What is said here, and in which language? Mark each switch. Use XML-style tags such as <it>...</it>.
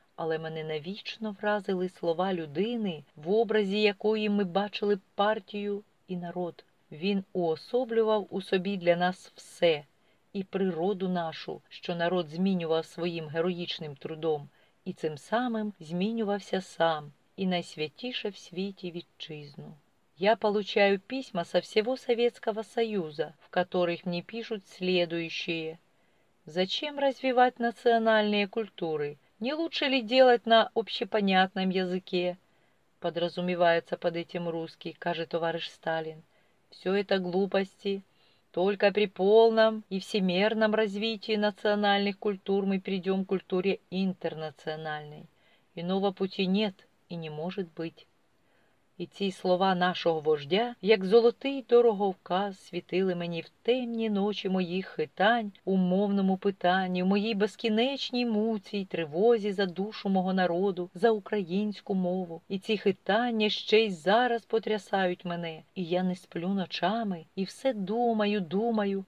<uk>Але мене навічно вразили слова людини, в образі якої ми бачили партію і народ. Він уособлював у собі для нас все. І природу нашу, що народ змінював своїм героїчним трудом. І цим самим змінювався сам. І найсвятіше в світі вітчизну.</uk> <ru>Я получаю письма со всего Советского Союза, в которых мне пишут следующие. Зачем развивать национальные культуры? Не лучше ли делать на общепонятном языке? Подразумевается под этим русский, кажет товарищ Сталин. Все это глупости. Только при полном и всемерном развитии национальных культур мы придем к культуре интернациональной. Иного пути нет и не может быть.</ru> <uk>І ці слова нашого вождя, як золотий дороговказ, світили мені в темні ночі моїх хитань, у мовному питанні, в моїй безкінечній муці й тривозі за душу мого народу, за українську мову. І ці хитання ще й зараз потрясають мене, і я не сплю ночами, і все думаю, думаю.</uk>